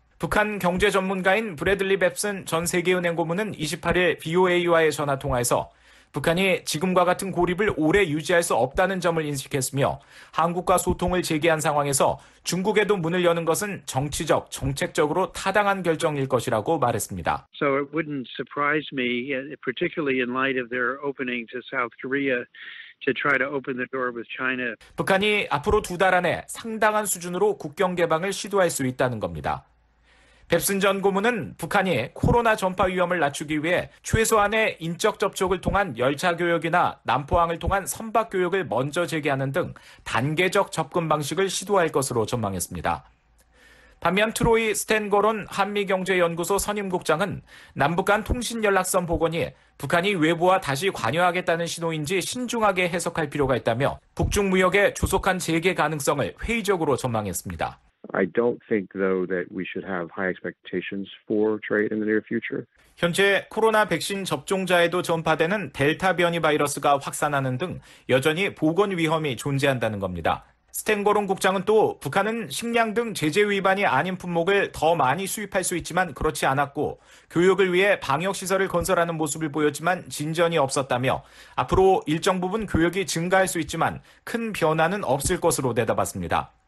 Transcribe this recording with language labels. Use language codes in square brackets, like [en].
[ko] 북한 경제 전문가인 브래들리 뱁슨 전 세계은행 고문은 28일 BOA와의 전화통화에서 북한이 지금과 같은 고립을 오래 유지할 수 없다는 점을 인식했으며 한국과 소통을 재개한 상황에서 중국에도 문을 여는 것은 정치적, 정책적으로 타당한 결정일 것이라고 말했습니다. [en] So it wouldn't surprise me, particularly in light of their opening to South Korea, to try to open the door with China. [ko] 북한이 앞으로 두 달 안에 상당한 수준으로 국경 개방을 시도할 수 있다는 겁니다. 뱁슨 전 고문은 북한이 코로나 전파 위험을 낮추기 위해 최소한의 인적 접촉을 통한 열차 교역이나 남포항을 통한 선박 교역을 먼저 재개하는 등 단계적 접근 방식을 시도할 것으로 전망했습니다. 반면 트로이 스탠거론 한미경제연구소 선임국장은 남북 간 통신연락선 복원이 북한이 외부와 다시 관여하겠다는 신호인지 신중하게 해석할 필요가 있다며 북중 무역의 조속한 재개 가능성을 회의적으로 전망했습니다. [en] I don't think though that we should have high expectations for trade in the near future. [ko] 현재 코로나 백신 접종자에도 전파되는 델타 변이 바이러스가 확산하는 등 여전히 보건 위험이 존재한다는 겁니다. 스탠거론 국장은 또 북한은 식량 등 제재 위반이 아닌 품목을 더 많이 수입할 수 있지만 그렇지 않았고 교역을 위해 방역시설을 건설하는 모습을 보였지만 진전이 없었다며 앞으로 일정 부분 교역이 증가할 수 있지만 큰 변화는 없을 것으로 내다봤습니다.